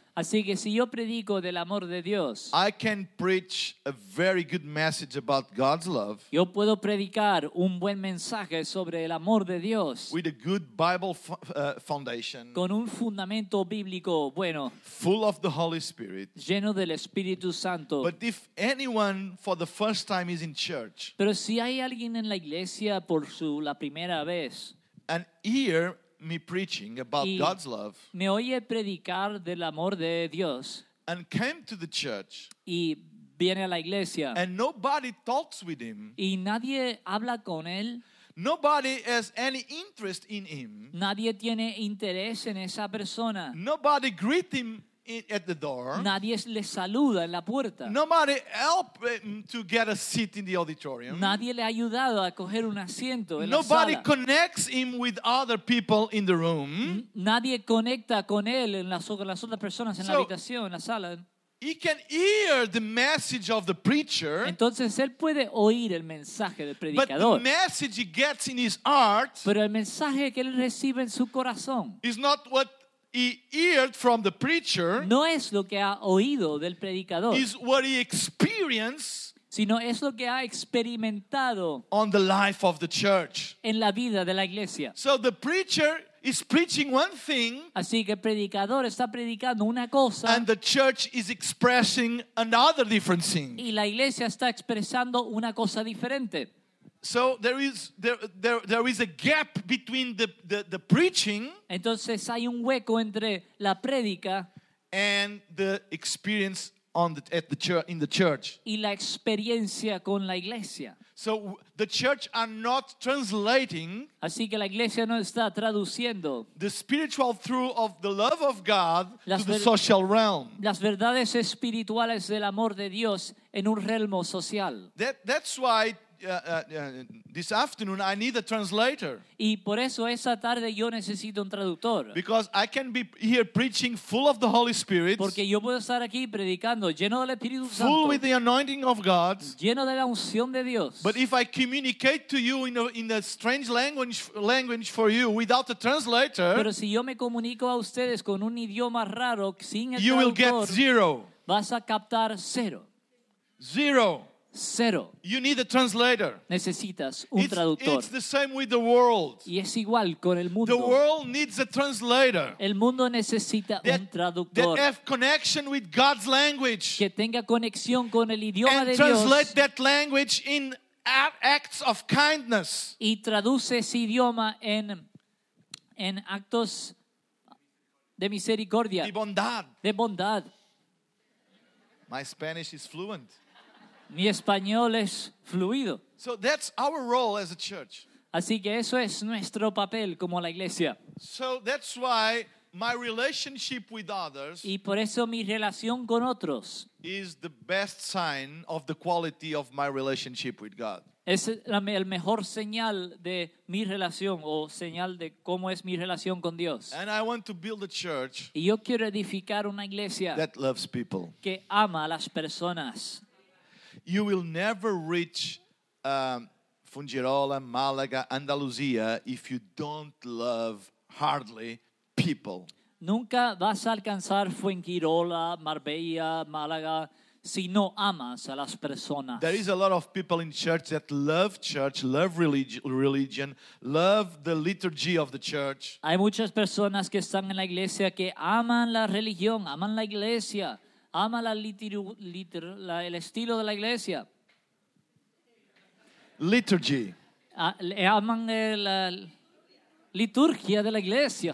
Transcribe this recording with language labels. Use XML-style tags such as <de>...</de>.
<es>así que si yo predico del amor de Dios,</es> <en>I can preach a very good message about God's love.</en> <es>Yo puedo predicar un buen mensaje sobre el amor de Dios.</es> <en>With a good Bible foundation.</en> <es>Con un fundamento bíblico bueno.</es> <en>Full of the Holy Spirit.</en> <es>Lleno del Espíritu Santo.</es> <en>But if anyone for the first time is in church.</en> <es>Pero si hay alguien en la iglesia por su la primera vez.</es> <en>And hear me preaching about God's love.</en> <es>Me oye predicar del amor de Dios.</es> <en>And came to the church.</en> <es>Y viene a la iglesia.</es> <en>And nobody talks with him.</en> <es>Y nadie habla con él.</es> <en>Nobody has any interest in him.</en> <es>Nadie tiene interés en esa persona.</es> <en>Nobody greet him at the door.</en> <es>Nadie le saluda en la puerta.</es> <en>Nobody helped him to get a seat in the auditorium.</en> <es>Nadie le ha ayudado a coger un asiento en</es> <en>Nobody</en> <es>la sala.</es> <en>Connects him with other people in the room.</en> <es>Nadie conecta con él en las otras personas en</es> <en>so,</en> <es>la habitación, en la sala.</es> <en>He can hear the message of the preacher.</en> <es>Entonces él puede oír el mensaje del predicador.</es> <en>But the message he gets in his heart.</en> <es>Pero el mensaje que él recibe en su corazón.</es> <en>Is not what he heard from the preacher.</en> <es>No es lo que ha oído del predicador.</es> <en>Is what he experienced.</en> <es>Sino es lo que ha experimentado.</es> <en>On the life of the church.</en> <es>En la vida de la iglesia.</es> <en>So the preacher is preaching one thing.</en> <es>Así que el predicador está predicando una cosa.</es> <en>And the church is expressing another different thing.</en> <es>Y la iglesia está expresando una cosa diferente.</es> <en>So there is a gap between the preaching.</en> <es>Entonces hay un hueco entre la prédica</es> <en>and the experience on the, at the church in the church.</en> <es>Y la experiencia con la iglesia.</es> <en>So the church are not translating.</en> <es>Así que la iglesia no está traduciendo</es> <en>the spiritual truth of the love of God to the social realm.</en> <es>Las verdades espirituales del amor de Dios en un reino social.</es> <en>That's why. This afternoon I need a translator.</en> <es>Y por eso esa tarde yo necesito un traductor.</es> <en>Because I can be here preaching full of the Holy Spirit.</en> <es>Porque yo puedo estar aquí predicando lleno del Espíritu Santo.</es> <en>Full with the anointing of God.</en> <es>Lleno de la unción de Dios.</es> <en>But if I communicate to you in a strange language for you without a translator.</en> <es>Pero si yo me comunico a ustedes con un idioma raro sin el traductor.</es> <en>You will get zero.</en> <es>Vas a captar cero.</es> <en>Zero.</en> <es>Cero.</es> <en>You need a translator.</en> <es>Necesitas un traductor.</es> <en>It's the same with the world.</en> <es>Y es igual con el mundo.</es> <en>The world needs a translator.</en> <es>El mundo necesita un traductor.</es> <en>That have connection with God's language.</en> <es>Que tenga conexión con el idioma de Dios.</es> <en>And translate that language in acts of kindness.</en> <es>Y traduce ese idioma en actos de misericordia. De bondad. De bondad.</es> <en>My Spanish is fluent.</en> <es>Mi español es fluido.</es> <en>So that's our role as a church.</en> <es>Así que eso es nuestro papel como la iglesia.</es> <en>So that's why my relationship with others.</en> <es>Y por eso mi relación con otros.</es> <en>Is the best sign of the quality of my relationship with God.</en> <es>Es el mejor señal de mi relación o señal de cómo es mi relación con Dios.</es> <en>And I want to build a church.</en> <es>Y yo quiero edificar una iglesia.</es> <en>That loves people.</en> <es>Que ama a las personas.</es> <en>You will never reach Fungirola, Málaga, Andalucía if you don't love hardly people.</en> <es>Nunca vas a alcanzar Fungirola, Marbella, Málaga si no amas a las personas.</es> <en>There is a lot of people in church, love religion, love the liturgy of the church.</en> <es>Hay muchas personas que están en la iglesia que aman la religión, aman la iglesia. Ama la el estilo de la iglesia.</es> <en>Liturgy.</en> <es>Aman la liturgia de la iglesia.</es>